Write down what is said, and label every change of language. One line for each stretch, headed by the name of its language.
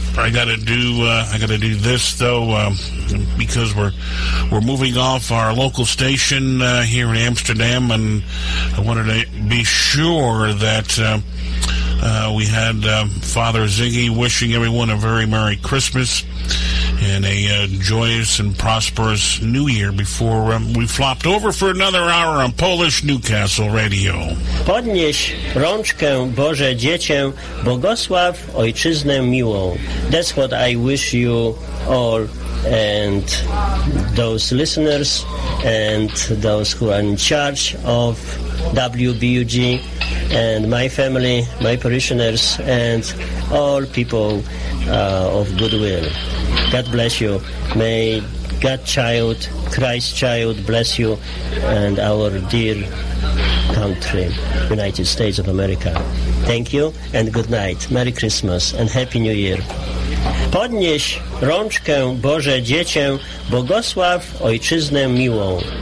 English: I got to do this though, because we're moving off our local station here in Amsterdam, and I wanted to be sure that we had Father Ziggy wishing everyone a very Merry Christmas and a joyous and prosperous New Year before we flopped over for another hour on Polish Newcastle Radio.
Polish: Podnieś rączkę, Boże Dziecię, błogosław ojczyznę miłą.
English: That's what I wish you all and those listeners and those who are in charge of WBUG and my family, my parishioners, and all people of goodwill. God bless you. May God Child, Christ Child bless you and our dear country, United States of America. Thank you and good night. Merry Christmas and Happy New Year.
Polish: Podnieś rączkę, Boże Dziecię, błogosław ojczyznę miłą.